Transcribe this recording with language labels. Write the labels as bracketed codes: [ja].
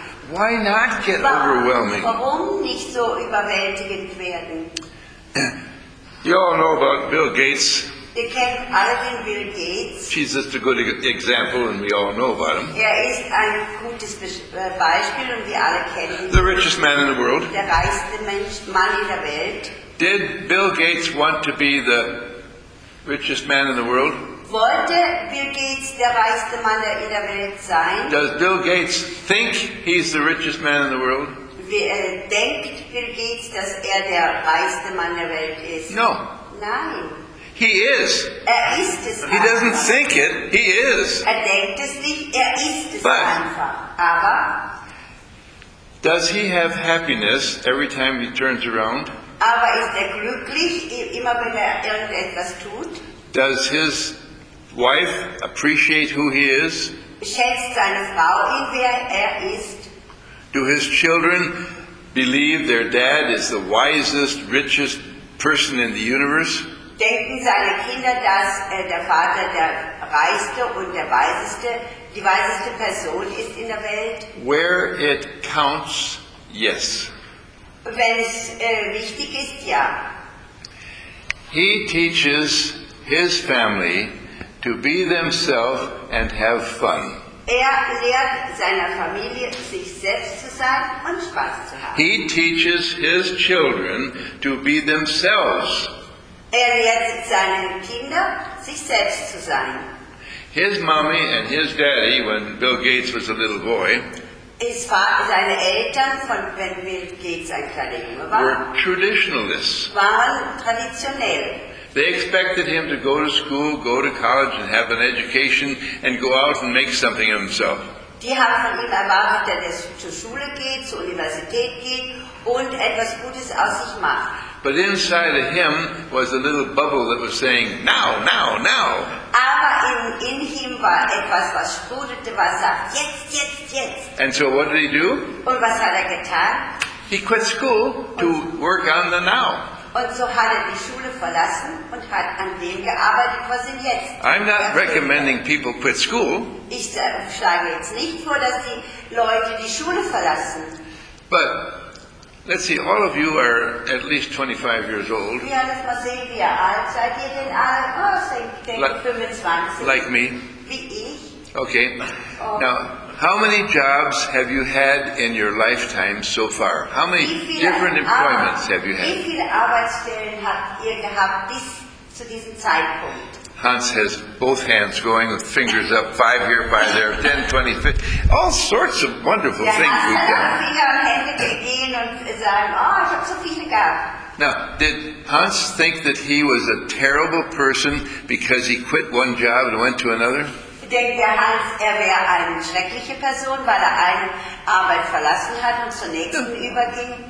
[en] Why not get overwhelming? [de] Warum nicht so überwältigend werden? [en] You all know about Bill Gates. [de] Ihr kennt alle den Bill Gates. [en] He's just a good example, and we all know about him. [de] Er ist ein gutes Beispiel, und wir alle kennen ihn. [en] The richest man in the world. [de] Der reichste Mann in der Welt. [en] Did Bill Gates want to be the richest man in the world? [de] Wollte Bill Gates der reichste Mann in der Welt sein? [en] Does Bill Gates think he's the richest man in the world? [de] Denkt Bill Gates, dass der reichste Mann der Welt ist? [en] No. [de] Nein. [en] He is. [de] Er ist es. [en] He doesn't think it. He is. [de] Er denkt es nicht. Er ist es einfach. Aber? [en] Does he have happiness every time he turns around? [de] Aber ist glücklich, immer wenn irgendetwas tut? [en] Does his wife appreciate who he is? [de] Schätzt seine Frau ihn, wer ist? [en] Do his children believe their dad is the wisest, richest person in the universe? [de] Denken seine Kinder, dass der Vater der reichste und der weiseste, die weiseste Person ist in der Welt? [en] Where it counts, yes. [de] Wenn es wichtig ist, ja. [en] He teaches his family to be themselves and have fun. [de] Er lehrt seiner Familie, sich selbst zu sein und Spaß zu haben. [en] He teaches his children to be themselves. [de] Er lehrt seinen Kindern, sich selbst zu sein. [en] His mommy and his daddy, when Bill Gates was a little boy, his father, [de] seine Eltern von Ben Bill Gates, ein kleiner Junge war, [en] were traditionalists. [de] Waren traditionell. [en] They expected him to go to school, go to college, and have an education, and go out and make something of himself. [de] Die haben von ihm erwartet, dass er zur Schule geht, zur Universität geht und etwas Gutes aus sich macht. [en] But inside of him was a little bubble that was saying, now, now, now. [de] Aber [en] in him [de] war etwas, was sprudelte, was sagt, jetzt, jetzt, jetzt. [en] And so what did he do? [de] Und was hat getan? [en] He quit school to work on the now. [de] Und so hat die Schule verlassen und hat an dem gearbeitet, was ihn jetzt. [en] I'm not recommending people quit school. [de] Ich schlage jetzt nicht vor, dass die Leute die Schule verlassen. [en] But let's see, all of you are at least 25 years old. [de] Ja, lass mal sehen, wie alt seid ihr denn alle? Oh, ich denke 25. [en] Like me. [de] Wie ich. [en] Okay. Now, how many jobs have you had in your lifetime so far? How many different employments have you had? [de] Wie viele Arbeitsstellen habt ihr gehabt bis zu diesem Zeitpunkt? [en] Hans has both hands going with fingers up, five here, five there, 10, 20, 50. All sorts of wonderful things we've done. [de] Ja, Hans hat Finger und Hände gehen und sagen, oh, ich habe so viele gehabt. [en] Now, did Hans think that he was a terrible person because he quit one job and went to another? [de] Denkt der Hans, er wäre eine schreckliche Person, weil eine Arbeit verlassen hat und zur nächsten überging?